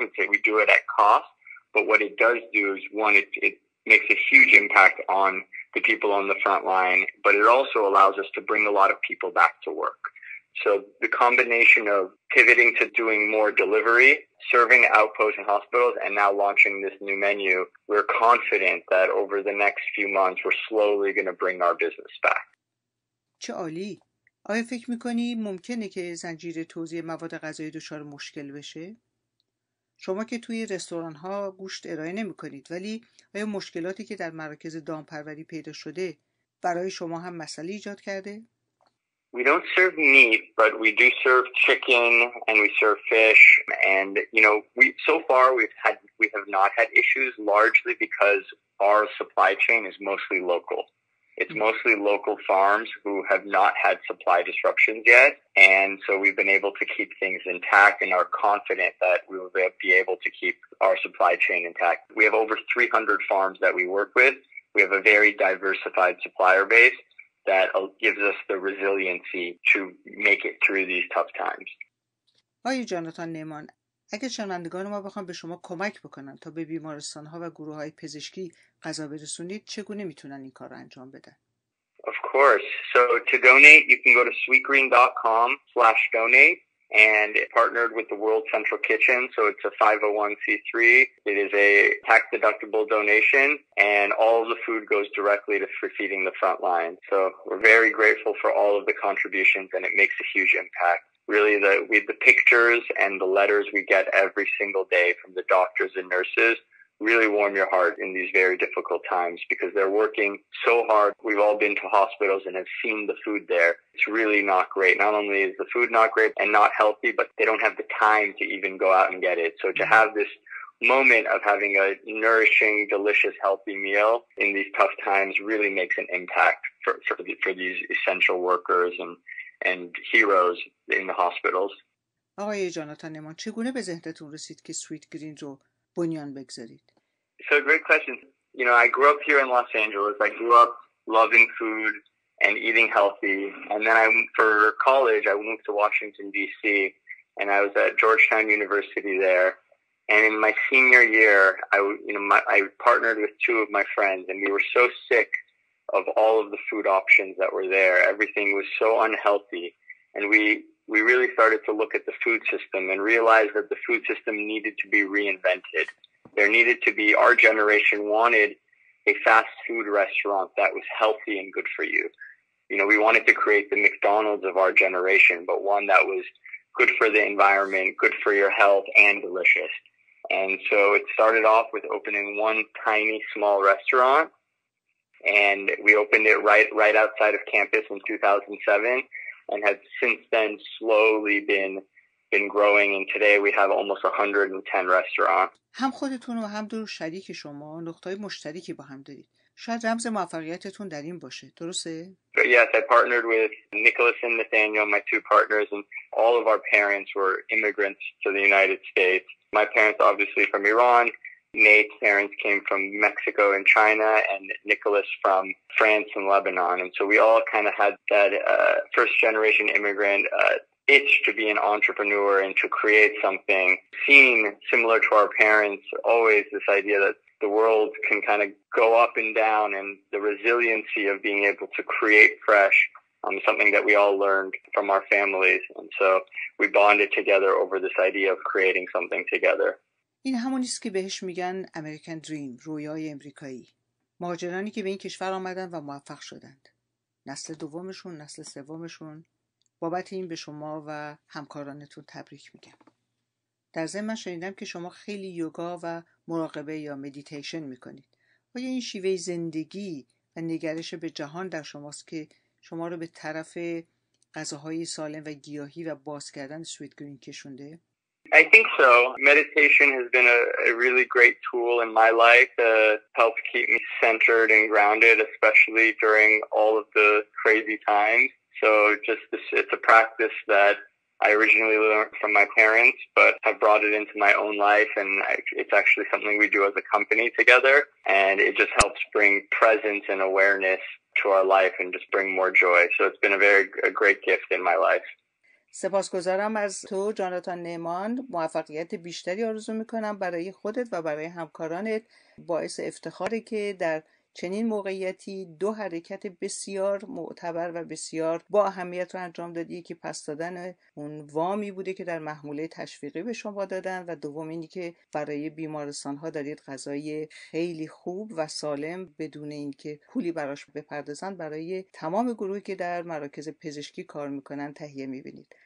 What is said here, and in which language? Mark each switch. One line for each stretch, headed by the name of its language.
English: It's we do it at cost. But what it does do is, one, it makes a huge impact on the people on the front line, but it also allows us to bring a lot of people back to work. So the combination of pivoting to doing more delivery, serving outposts and hospitals, and now launching this new menu, we're confident that over the next few months, we're slowly going to bring our business back.
Persian: چه عالی. آیا فکر میکنی ممکنه که زنجیره توزیع مواد غذایی دچار مشکل بشه؟ شما که توی رستوران ها گوشت ارائه نمی کنید، ولی آیا مشکلاتی که در مراکز دامپروری پیدا شده برای شما هم مسئله ایجاد کرده؟
English: We don't serve meat, but we do serve chicken and we serve fish. And, you know, we have not had issues largely because our supply chain is mostly local. It's mostly local farms who have not had supply disruptions yet. And so we've been able to keep things intact and are confident that we will be able to keep our supply chain intact. We have over 300 farms that we work with. We have a very diversified supplier base that gives us the resiliency to make it through these tough times.
Persian: آقای جاناتان نیمان، اگر شنوندگان ما بخوان به شما کمک بکنن تا به بیمارستان‌ها و گروه‌های پزشکی غذا برسونید، چگونه میتونن این کار رو انجام بدن؟
English: Of course. So to donate, you can go to sweetgreen.com/donate and partnered with the World Central Kitchen. So it's a 501c3. It is a tax-deductible donation, and all of the food goes directly to feeding the front line. So we're very grateful for all of the contributions, and it makes a huge impact. Really, the pictures and the letters we get every single day from the doctors and nurses really warm your heart in these very difficult times because they're working so hard. We've all been to hospitals and have seen the food there. It's really not great. Not only is the food not great and not healthy, but they don't have the time to even go out and get it. So to have this moment of having a nourishing, delicious, healthy meal in these tough times really makes an impact for these essential workers and heroes in the hospitals.
Persian: آقای جاناتان نیمان، چگونه به ذهنتون رسید که سویت گرین رو بنیان بگذارید؟
English: So great question. You know, I grew up here in Los Angeles. I grew up loving food and eating healthy. And then for college, I moved to Washington, D.C. And I was at Georgetown University there. And in my senior year, I partnered with two of my friends. And we were so sick of all of the food options that were there. Everything was so unhealthy. And we really started to look at the food system and realize that the food system needed to be reinvented. There needed to be, our generation wanted a fast food restaurant that was healthy and good for you. You know, we wanted to create the McDonald's of our generation, but one that was good for the environment, good for your health, and delicious. And so it started off with opening one tiny, small restaurant. And we opened it right outside of campus in 2007 and have since then slowly been growing, and today we have almost 110 restaurants.
Persian: هم خودتون و هم دور شریک شما نقطه‌های مشترکی با هم دارید. شاید رمز موفقیتتون در این باشه. درسته؟
English: Yes, I partnered with Nicholas and Nathaniel, my two partners, and all of our parents were immigrants to the United States. My parents obviously from Iran, Nate's parents came from Mexico and China, and Nicholas from France and Lebanon. And so we all kind of had that first generation immigrant itch to be an entrepreneur and to create something, seeing similar to our parents, always this idea that the world can kind of go up and down, and the resiliency of being able to create fresh, something that we all learned from our families. And so we bonded together over this idea of creating something together.
Persian: این همونیست که بهش میگن
English: American Dream،
Persian: رویای امریکایی. مهاجرانی که به این کشور آمدن و موفق شدند. نسل دومشون، نسل سومشون. بابت این به شما و همکارانتون تبریک میگم. در ضمن من شنیدم که شما خیلی یوگا و مراقبه یا مدیتیشن میکنید. آیا این شیوه زندگی و نگرش به جهان در شماست که شما رو به طرف غذاهای سالم و گیاهی و باز کردن سویت گرین کشونده؟
English: I think so. Meditation has been a really great tool in my life to help keep me centered and grounded, especially during all of the crazy times. So just this, it's a practice that I originally learned from my parents, but have brought it into my own life. And it's actually something we do as a company together. And it just helps bring presence and awareness to our life and just bring more joy. So it's been a great gift in my life.
Persian: سپاسگزارم از تو جاناتان نعمان، موفقیت بیشتری آرزو میکنم برای خودت و برای همکارانت. باعث افتخاره که در چنین موقعیتی دو حرکت بسیار معتبر و بسیار با اهمیت رو انجام دادی، که پس دادن اون وامی بوده که در محموله تشویقی به شما دادن و دوم اینی که برای بیمارستان ها دارید غذای خیلی خوب و سالم بدون اینکه پولی براش بپردازن برای تمام گروهی که در مراکز پزشکی کار میکنن تهیه میبینید.